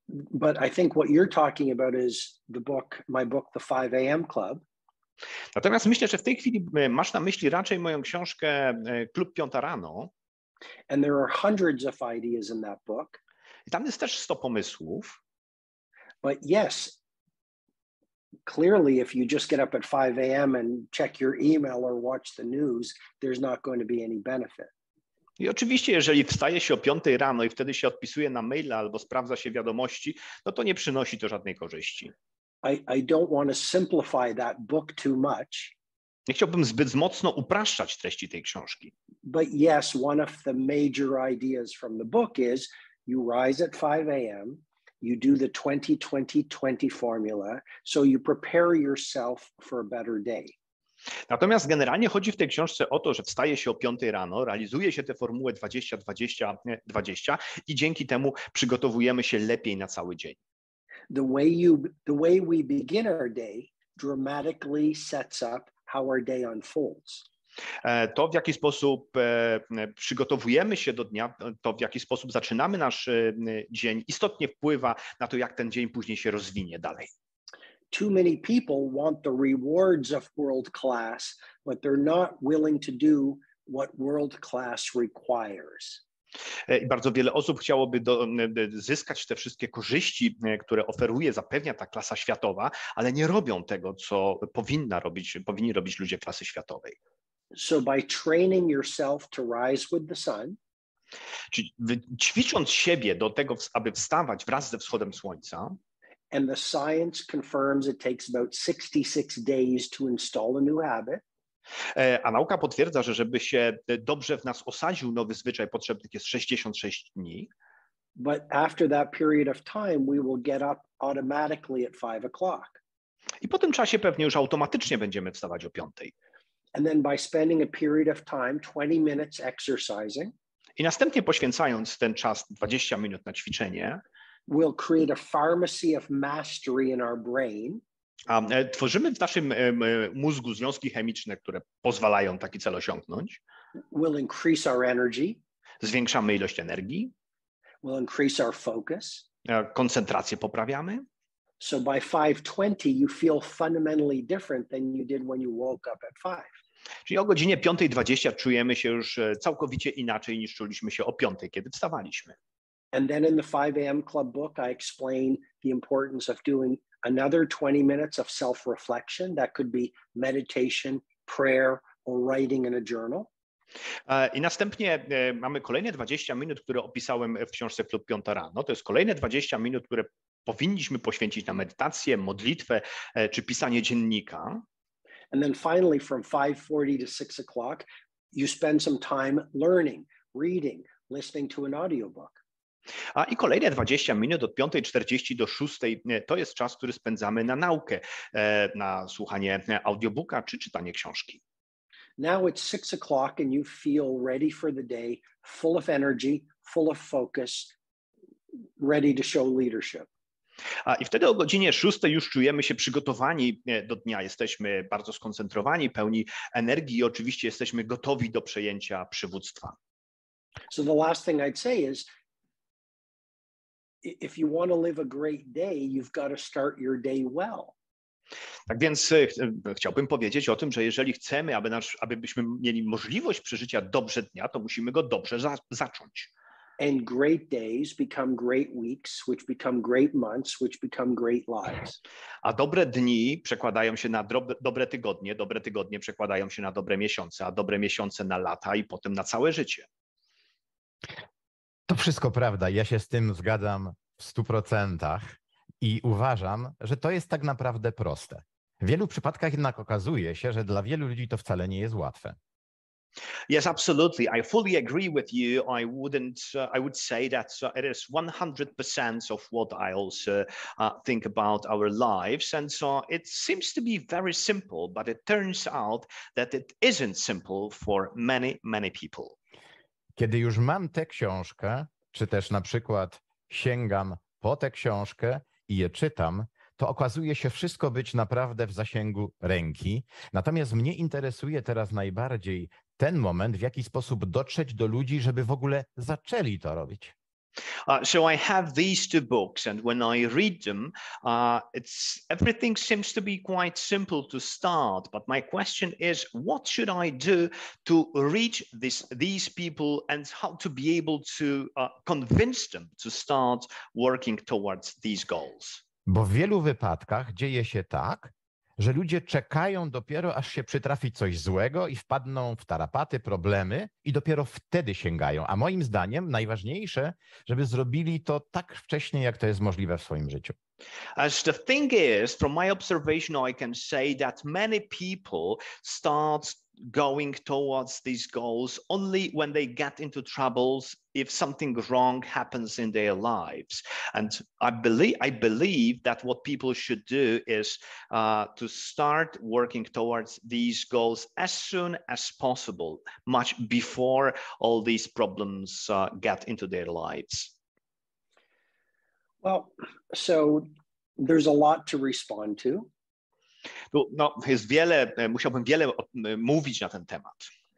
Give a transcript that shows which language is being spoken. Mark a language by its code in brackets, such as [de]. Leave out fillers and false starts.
[en] But I think what you're talking about is the book, my book, The 5 AM Club. [pl] Natomiast myślę, że w tej chwili masz na myśli raczej moją książkę Klub Piąta Rano. [en] And there are hundreds of ideas in that book. [pl] I tam jest też 100 pomysłów. [en] But yes, clearly if you just get up at 5 a.m. and check your email or watch the news, there's not going to be any benefit. [pl] I oczywiście, jeżeli wstaje się o 5 rano i wtedy się odpisuje na maila albo sprawdza się wiadomości, no to nie przynosi to żadnej korzyści. [en] I don't want to simplify that book too much. [pl] Nie chciałbym zbyt mocno upraszczać treści tej książki. [en] But yes, one of the major ideas from the book is you rise at 5 a.m., you do the 20-20-20 formula, so you prepare yourself for a better day. [pl] Natomiast generalnie chodzi w tej książce o to, że wstaje się o 5 rano, realizuje się tę formułę 20-20-20 i dzięki temu przygotowujemy się lepiej na cały dzień. [en] The way we begin our day dramatically sets up how our day unfolds. [pl] To, w jaki sposób przygotowujemy się do dnia, to, w jaki sposób zaczynamy nasz dzień, istotnie wpływa na to, jak ten dzień później się rozwinie dalej. [en] Too many people want the rewards of world class, but they're not willing to do what world class requires. [pl] I bardzo wiele osób chciałoby zyskać te wszystkie korzyści, które oferuje, zapewnia ta klasa światowa, ale nie robią tego, co powinni robić ludzie klasy światowej. [en] So by training yourself to rise with the sun, [pl] czyli ćwicząc siebie do tego, aby wstawać wraz ze wschodem słońca, [en] and the science confirms it takes about 66 days to install a new habit. [pl] A nauka potwierdza, że żeby się dobrze w nas osadził nowy zwyczaj, potrzebnych jest 66 dni. [en] But after that period of time, we will get up automatically at 5 o'clock. [pl] I po tym czasie pewnie już automatycznie będziemy wstawać o 5. [en] And then by spending a period of time, 20 minutes exercising. [pl] I następnie poświęcając ten czas 20 minut na ćwiczenie, [en] we'll create a pharmacy of mastery in our brain. [pl] A tworzymy w naszym mózgu związki chemiczne, które pozwalają taki cel osiągnąć. [en] We'll increase our energy. [pl] Zwiększamy ilość energii. [en] We'll increase our focus. [pl] Koncentrację poprawiamy. [en] So by 5:20 you feel fundamentally different than you did when you woke up at 5. [pl] Czyli o godzinie 5:20 czujemy się już całkowicie inaczej niż czuliśmy się o 5, kiedy wstawaliśmy. [en] And then in the 5 a.m. club book I explain the importance of doing another 20 minutes of self-reflection, that could be meditation, prayer, or writing in a journal. [pl] I następnie mamy kolejne 20 minut, które opisałem w książce Klub Piąta Rano. To jest kolejne 20 minut, które powinniśmy poświęcić na medytację, modlitwę czy pisanie dziennika. [en] And then finally, from 5:40 to 6 o'clock, you spend some time learning, reading, listening to an audiobook. [pl] A i kolejne 20 minut od 5:40 do 6:00 to jest czas, który spędzamy na naukę, na słuchanie audiobooka czy czytanie książki. [en] Now it's 6 o'clock and you feel ready for the day, full of energy, full of focus, ready to show leadership. [pl] A i wtedy o godzinie 6 już czujemy się przygotowani do dnia. Jesteśmy bardzo skoncentrowani, pełni energii i oczywiście jesteśmy gotowi do przejęcia przywództwa. So the last thing I'd say is, if you want to live a great day, you've got to start your day well. Tak więc chciałbym powiedzieć o tym, że jeżeli chcemy, abyśmy mieli możliwość przeżycia dobrze dnia, to musimy go dobrze zacząć. And great days become great weeks, which become great months, which become great lives. A dobre dni przekładają się na dobre tygodnie przekładają się na dobre miesiące, a dobre miesiące na lata i potem na całe życie. To wszystko prawda. Ja się z tym zgadzam w 100% i uważam, że to jest tak naprawdę proste. W wielu przypadkach jednak okazuje się, że dla wielu ludzi to wcale nie jest łatwe. [en] Yes, absolutely. I fully agree with you. I would say that it is 100% of what I also think about our lives. And so it seems to be very simple, but it turns out that it isn't simple for many, many people. [pl] Kiedy już mam tę książkę, czy też na przykład sięgam po tę książkę i je czytam, to okazuje się wszystko być naprawdę w zasięgu ręki. Natomiast mnie interesuje teraz najbardziej ten moment, w jaki sposób dotrzeć do ludzi, żeby w ogóle zaczęli to robić. [en] So I have these two books, and when I read them, everything seems to be quite simple to start. But my question is, what should I do to reach these people, and how to be able to convince them to start working towards these goals? [pl] Bo w wielu wypadkach dzieje się tak, że ludzie czekają dopiero, aż się przytrafi coś złego i wpadną w tarapaty, problemy i dopiero wtedy sięgają. A moim zdaniem najważniejsze, żeby zrobili to tak wcześnie, jak to jest możliwe w swoim życiu. [en] As the thing is, from my observation, I can say that many people start going towards these goals only when they get into troubles, if something wrong happens in their lives. And I believe that what people should do is to start working towards these goals as soon as possible, much before all these problems get into their lives. Well, so there's a lot to respond to. [pl] No, jest wiele, musiałbym wiele mówić na ten temat.